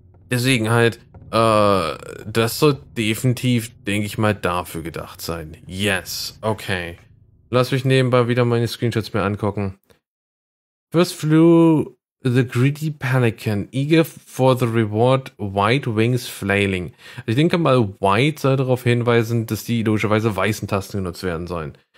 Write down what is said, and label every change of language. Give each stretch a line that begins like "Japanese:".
German: Deswegen halt, das soll definitiv, denke ich mal, dafür gedacht sein. Yes, okay. Lass mich nebenbei wieder meine Screenshots mir angucken.
English: First flew the greedy pelican, eager for the reward, white wings flailing.
German: Ich denke mal, white soll darauf hinweisen, dass die logischerweise weißen Tasten genutzt werden sollen.